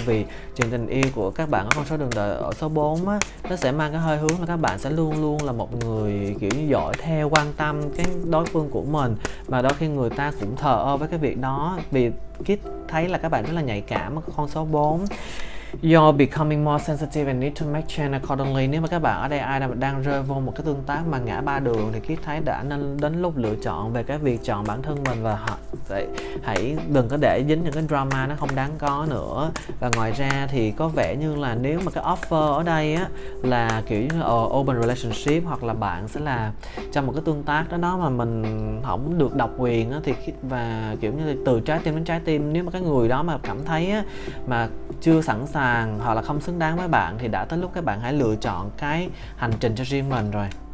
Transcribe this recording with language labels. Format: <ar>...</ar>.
<vi>Vì chuyện tình yêu của các bạn ở con số đường đời ở số 4 á, nó sẽ mang cái hơi hướng là các bạn sẽ luôn luôn là một người kiểu như dõi theo, quan tâm cái đối phương của mình. Và đôi khi người ta cũng thờ ơ với cái việc đó. Vì Kit thấy là các bạn rất là nhạy cảm ở con số 4.</vi> <en>You're becoming more sensitive and need to make change accordingly.</en> <vi>Nếu mà các bạn ở đây ai đang rơi vô một cái tương tác mà ngã ba đường, thì Kit thấy đã nên đến lúc lựa chọn về cái việc chọn bản thân mình. Và hãy đừng có để dính những cái drama nó không đáng có nữa. Và ngoài ra thì có vẻ như là nếu mà cái offer ở đây á là kiểu như là open relationship, hoặc là bạn sẽ là trong một cái tương tác đó mà mình không được độc quyền á, thì và kiểu như là từ trái tim đến trái tim, nếu mà cái người đó mà cảm thấy á mà chưa sẵn sàng hoặc là không xứng đáng với bạn, thì đã tới lúc các bạn hãy lựa chọn cái hành trình cho riêng mình rồi.</vi>